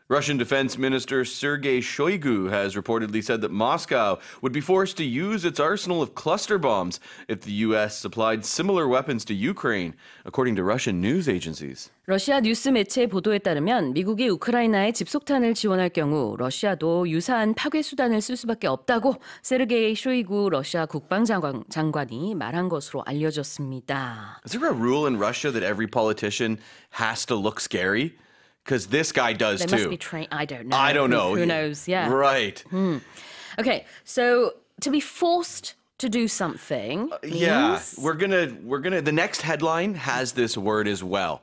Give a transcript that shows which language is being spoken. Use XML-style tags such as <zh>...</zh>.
<en>Russian Defense Minister Sergei Shoigu has reportedly said that Moscow would be forced to use its arsenal of cluster bombs if the U.S. supplied similar weapons to Ukraine, according to Russian news agencies.</en> <ko>러시아 뉴스 매체 보도에 따르면 미국이 우크라이나에 집속탄을 지원할 경우 러시아도 유사한 파괴 수단을 쓸 수밖에 없다고 세르게이 쇼이구 러시아 국방장관이 말한 것으로 알려졌습니다.</ko> <en>Is there a rule in Russia that every politician has to look scary? Because this guy does too. They must be trained. I don't know. I don't know. Who knows? Yeah. Right. Hmm. Okay. So to be forced to do something. Means... Yeah. We're gonna. The next headline has this word as well.</en>